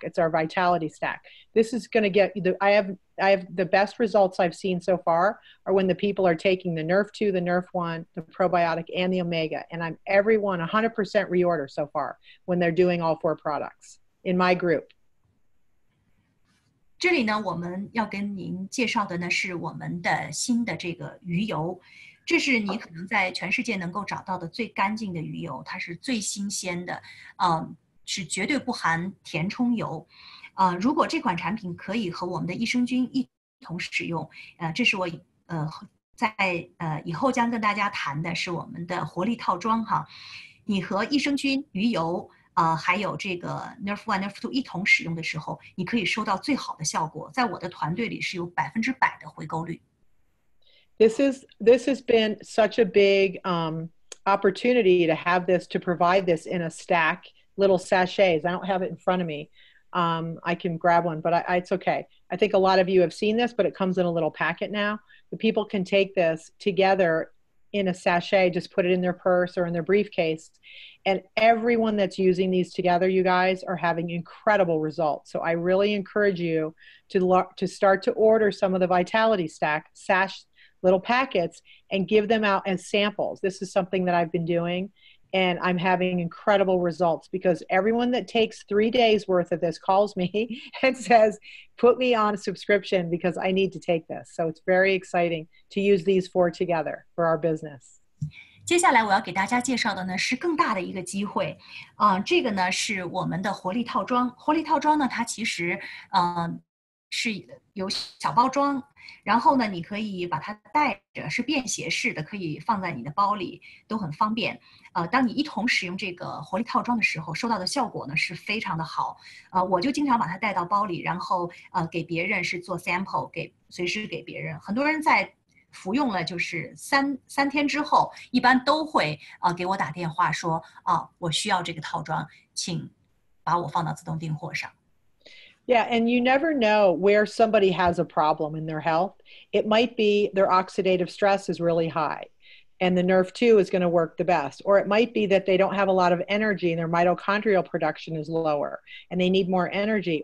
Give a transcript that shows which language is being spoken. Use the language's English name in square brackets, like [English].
[English] It's our vitality stack. This is going to get the, I have the best results I've seen so far are when the people are taking the Nerve 2, the Nerve 1, the probiotic, and the omega. And I'm everyone 100% reorder so far when they're doing all four products in my group. [Chinese] 这里呢，我们要跟您介绍的呢是我们的新的这个鱼油，这是你可能在全世界能够找到的最干净的鱼油，它是最新鲜的，是绝对不含填充油，如果这款产品可以和我们的益生菌一同使用，这是我以后将跟大家谈的是我们的活力套装哈，你和益生菌鱼油。还有这个 Nerve One、Nerve Two 一同使用的时候，你可以收到最好的效果。在我的团队里是有100%的回购率。 [English] This has been such a big opportunity to have this, to provide this in a stack, little sachets. I don't have it in front of me. I can grab one, but it's okay. I think a lot of you have seen this, but it comes in a little packet now. The people can take this together. In a sachet, just put it in their purse or in their briefcase. And everyone that's using these together, you guys, are having incredible results. So I really encourage you to start to order some of the Vitality Stack sash little packets and give them out as samples. This is something that I've been doing and I'm having incredible results because everyone that takes 3 days worth of this calls me and says, put me on a subscription because I need to take this. So it's very exciting to use these four together for our business. [Chinese] 接下来我要给大家介绍的呢是更大的一个机会。这个呢是我们的活力套装。活力套装呢它其实是有小包装，然后呢你可以把它带着，是便携式的，可以放在你的包里，都很方便。当你一同使用这个活力套装的时候，收到的效果呢是非常的好。我就经常把它带到包里，然后给别人是做 sample， 随时给别人。很多人在服用了就是三天之后，一般都会给我打电话说我需要这个套装，请把我放到自动订货上。 [English] Yeah, and you never know where somebody has a problem in their health. It might be their oxidative stress is really high and the Nrf2 is going to work the best. Or it might be that they don't have a lot of energy and their mitochondrial production is lower and they need more energy.